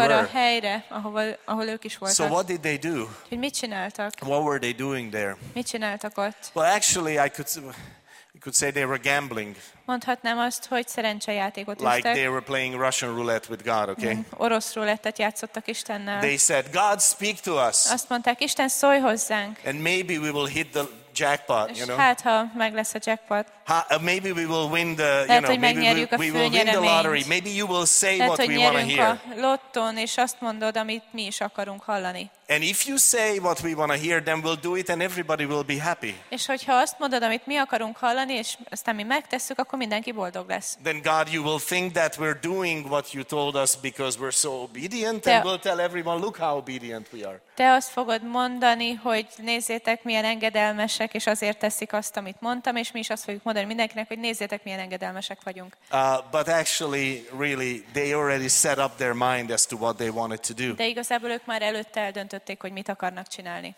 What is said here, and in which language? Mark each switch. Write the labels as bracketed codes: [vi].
[hu] Arra a helyre, ahol ők is voltak. [en] So what did they do? [hu] Mit csináltak? [en] What were they doing there? [hu] Mit csináltak ott? [en] Well, actually, I could say they were gambling. [hu] Mondhatnám azt, hogy szerencsejátékot üztek. [en] Like they were playing Russian roulette with God, okay? [hu] Orosz rulettet játszottak Istennel. [en] They said, God speak to us. [hu] Azt mondták, Isten szólj hozzánk. [en] And maybe we will hit the jackpot, you know. [hu] Hát, ha meg lesz a jackpot. [en] Maybe we will win the, lottery. Maybe you will say [hu] lehet, [en] what we want to hear. [hu] A lotton, és azt mondod, amit mi is akarunk hallani. [en] And if you say what we want to hear, then we'll do it and everybody will be happy. [hu] És hogyha azt mondod, amit mi akarunk hallani, és aztán mi megtesszük, akkor mindenki boldog lesz. [en] Then God, you will think that we're doing what you told us because we're so obedient and we'll tell everyone, look how obedient we are. [hu] Te azt fogod mondani, hogy nézzétek, milyen engedelmesek, és azért teszik azt, amit mondtam, és mi is azt fogjuk mondani mindenkinek, hogy nézzétek, milyen engedelmesek vagyunk. [en] But actually, really, they already set up their mind as to what they wanted to do. [hu] De igazából ők már előtte eldöntötték, hogy mit akarnak csinálni.